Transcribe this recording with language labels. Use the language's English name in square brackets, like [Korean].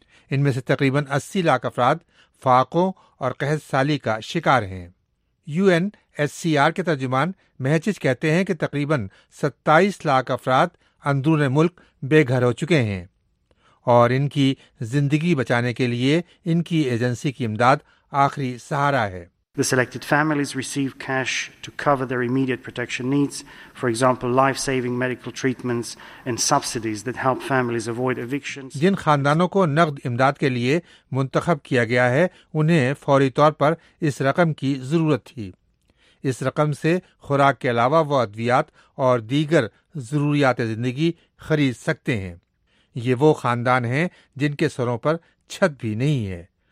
[Urdu] ان میں سے تقریباً 80 لاکھ افراد فاقوں اور قحط سالی کا شکار ہیں. You N S C R کے ترجمان مہچچ کہتے ہیں کہ تقریباً 27 لاکھ افراد اندرون ملک بے گھر ہو چکے ہیں اور ان کی زندگی بچانے کے لیے ان کی ایجنسی کی امداد آخری سہارا ہے. [English] The selected families receive cash to cover their immediate protection needs, for example, life-saving medical treatments and subsidies that help families avoid evictions. [Urdu] جن خاندانوں کو نقد امداد کے لیے منتخب کیا گیا ہے انہیں فوری طور پر اس رقم کی ضرورت تھی. اس رقم سے خوراک کے علاوہ وہ ادویات اور دیگر ضروریات زندگی خرید سکتے ہیں. یہ وہ خاندان ہیں جن کے سروں پر چھت بھی نہیں ہے.